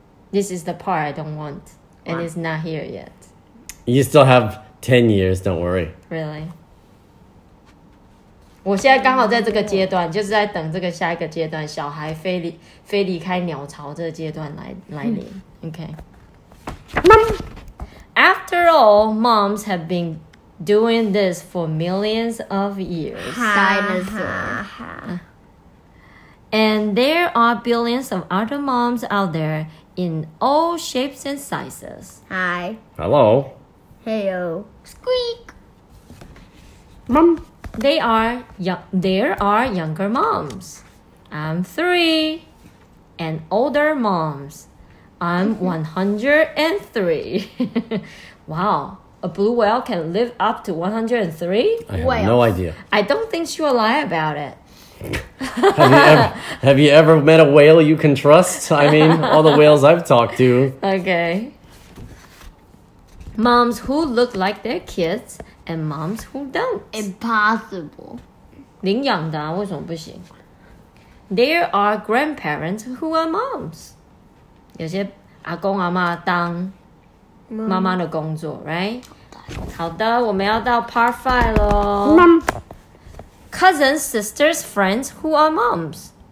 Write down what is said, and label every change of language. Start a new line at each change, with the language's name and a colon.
English: This is the part I don't want. And it's not here yet. You still have 10 years, don't worry. Really?
Chinese: 我现在刚好在这个阶段，就是在等这个下一个阶段，小孩飞离开鸟巢这个阶段来临。
English: Okay. Mom! After all, moms have been doing this for millions of years. Dinosaur. And there are billions of other moms out there in all shapes and sizes. Hi. Hello. Heyo. Squeak. Mom. There are younger moms. I'm 3. And older moms. I'm 103. Wow, a blue whale can live up to 103? I have no idea. I don't think she will lie about it. have you ever met a whale you can trust? I mean, all the whales I've talked to. Okay. Moms who look like their kids and moms who don't. Impossible.
Chinese: 领养的啊，为什么不行？
English: There are grandparents who are moms.
Chinese: 有些阿公阿嬷当妈妈的工作 ，right？好的，我们要到 Part 5咯。
English: Mom, cousins, sisters, friends, who are moms?